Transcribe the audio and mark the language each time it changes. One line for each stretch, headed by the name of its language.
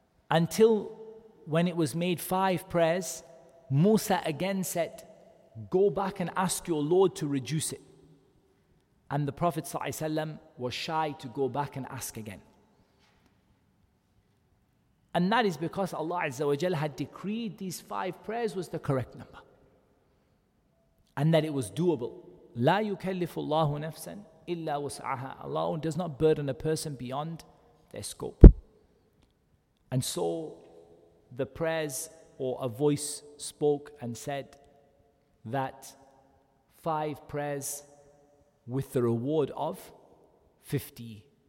English: Until when it was made five prayers, Musa again said, go back and ask your Lord to reduce it. And the Prophet ﷺ was shy to go back and ask again. And that is because Allah Azza wa Jal had decreed these five prayers was the correct number. And that it was doable.
Arabic: لا يكلف الله نفسا إلا وسعها.
English: Allah does not burden a person beyond their scope. And so the prayers, or a voice spoke and said that five prayers with the reward of 50.